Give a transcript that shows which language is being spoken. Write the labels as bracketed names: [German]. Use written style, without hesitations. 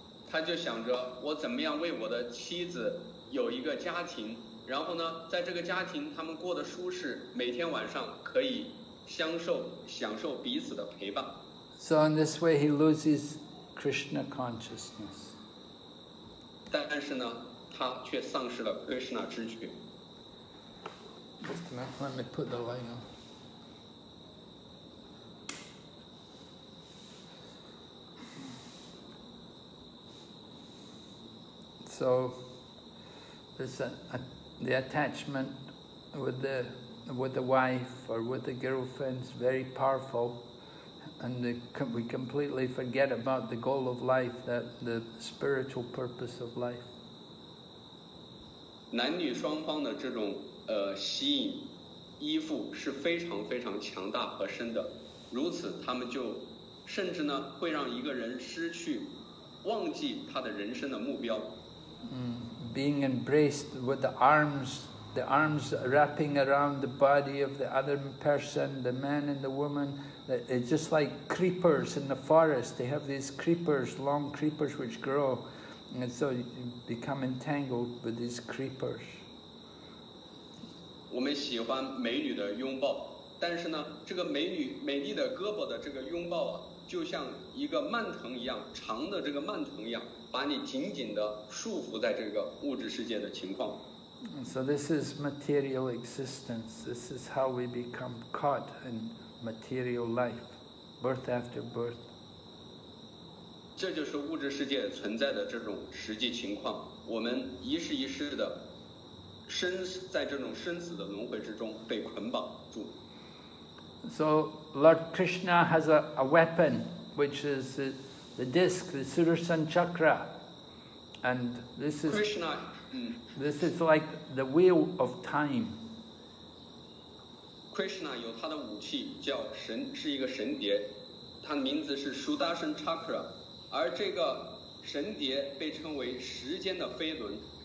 [Chinese] 他就想着我怎么样为我的妻子有一个家庭，然后呢，在这个家庭他们过得舒适，每天晚上可以享受彼此的陪伴。 [English] So in this way he loses Krishna consciousness. [Chinese] 但是呢，他却丧失了 Krishna 知觉。 [English] Just a minute, let me put the light on. So there's the attachment with the wife or with the girlfriend is very powerful, and we completely forget about the goal of life, that the spiritual purpose of life. [Chinese] 男女双方的这种吸引依附是非常非常强大和深的，如此他们就甚至呢会让一个人失去忘记他的人生的目标。 [English] Being embraced with the arms wrapping around the body of the other person, the man and the woman, it's just like creepers in the forest. They have these creepers, long creepers which grow, and so you become entangled with these creepers. [Chinese] 我们喜欢美女的拥抱，但是呢，这个美女美丽的胳膊的这个拥抱啊，就像一个蔓藤一样，长的这个蔓藤一样，把你紧紧地束缚在这个物质世界的情况。 [English] So this is material existence. This is how we become caught in material life, birth after birth. [Chinese] 这就是物质世界存在的这种实际情况。我们一世一世的生在这种生死的轮回之中，被捆绑住。 [English] So Lord Krishna has a weapon, which is the disc, the Sudarshan Chakra, and this is Krishna. This is like the wheel of time. [Chinese] Krishna 有他的武器叫神，是一个神碟，他的名字是 Sudarshan Chakra, 而这个神碟被称为时间的飞轮。